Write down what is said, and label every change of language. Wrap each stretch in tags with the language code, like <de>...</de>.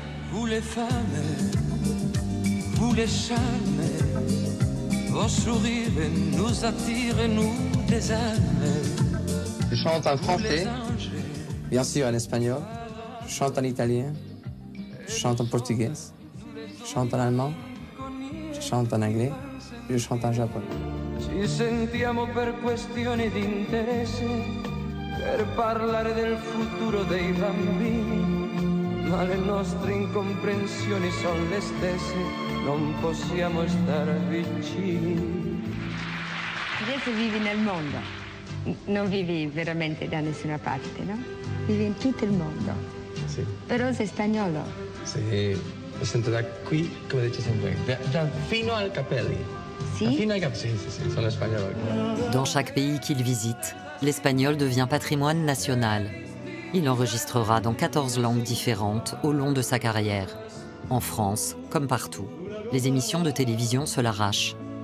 <fr>Vous les femmes, vous les charmes, vos sourires nous attirent, nous des âmes. Je chante en français, bien sûr en espagnol, je chante en italien, je chante en portugais, je chante en allemand, je chante en anglais, je chante en japonais.</fr> <it>Si sentiamo per questioni d'interesse, per parlare del futuro dei bambini. Ma le nostre incomprensioni sono le stesse, non possiamo star vicini. Adesso vivi nel mondo, non vivi veramente da nessuna parte, no? Vivi in tutto il mondo. Sì. Però sei spagnolo. Sì, mi sento da qui, come dice sempre, da fino ai capelli. Sì? Da fino ai capelli, sì, sì, sì, sono spagnolo.</it> <fr>Dans chaque pays qu'il visite, l'espagnol devient patrimoine national. Il enregistrera dans 14 langues différentes au long de sa carrière. En France, comme partout, les émissions de télévision se l'arrachent.</fr>